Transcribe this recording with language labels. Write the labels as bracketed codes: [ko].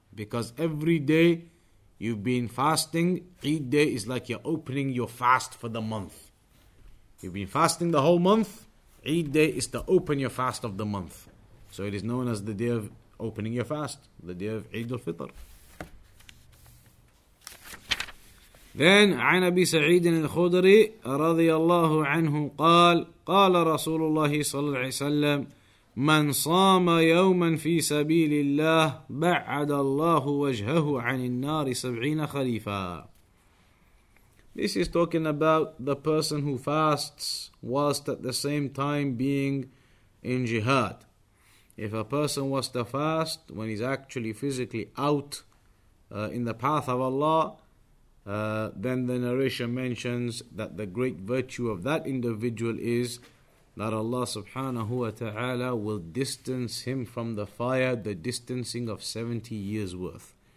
[en] Because every day you've been fasting, Eid day is like you're opening your fast for the month. You've been fasting the whole month. Eid day is to open your fast of the month. So it is known as the day of opening your fast, the day of Eid al-Fitr. Then, [ar] عن أبي سعيد الخدري رضي الله عنه قال قال رسول الله صلى الله عليه وسلم من صام يوما في سبيل الله بعد الله وجهه عن النار 70 خريفا. [en] This is talking about the person who fasts whilst at the same time being in jihad. If a person was to fast when he's actually physically out in the path of Allah, then the narration mentions that the great virtue of that individual is that Allah subhanahu wa ta'ala will distance him from the fire, the distancing of 70 years worth.